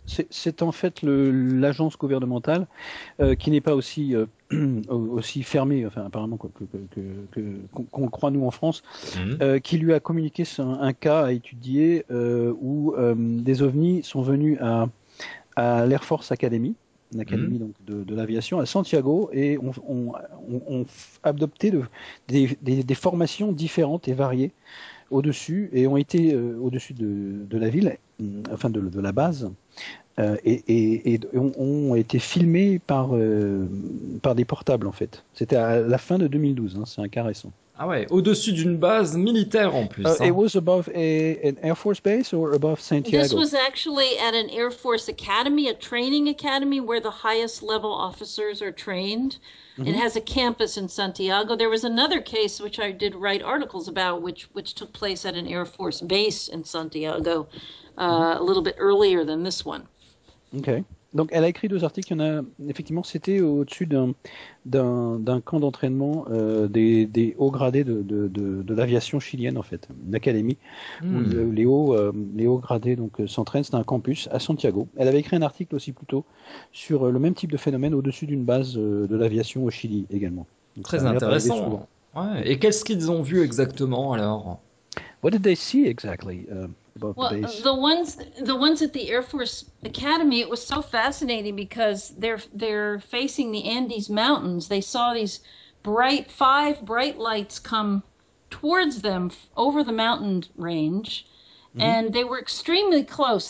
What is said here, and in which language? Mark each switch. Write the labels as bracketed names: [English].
[French] C'est en fait l'agence gouvernementale qui n'est pas aussi aussi fermée, enfin apparemment qu'on le croit nous en France, qui lui a communiqué un cas à étudier où des ovnis sont venus à l'Air Force Academy, l'académie donc de l'aviation à Santiago, et ont adopté des formations différentes et variées au-dessus, et ont été au-dessus de la ville, enfin de la base. Et ont été filmés par des portables, en fait. C'était à la fin de 2012, hein, c'est un cas récent. Ah ouais, au-dessus d'une base militaire en plus. [English] It was above an Air Force base or above Santiago? This was actually at an Air Force academy, a training academy where the highest level officers are trained. Mm-hmm. It has a campus in Santiago. There was another case which I did write articles about, which took place at an Air Force base in Santiago, a little bit earlier than this one. [French] Okay. Donc, elle a écrit deux articles. Il y en a, effectivement, c'était au-dessus d'un camp d'entraînement des hauts gradés de l'aviation chilienne, en fait, une académie où les hauts gradés donc, s'entraînent. C'est un campus à Santiago. Elle avait écrit un article aussi plus tôt sur le même type de phénomène au-dessus d'une base de l'aviation au Chili également. Donc, très intéressant. Ouais. Et qu'est-ce qu'ils ont vu exactement alors? [English] What did they see exactly? Well, the ones at the Air Force Academy, it was so fascinating because they're facing the Andes Mountains. They saw these five bright lights come towards them over the mountain range, and they were extremely close.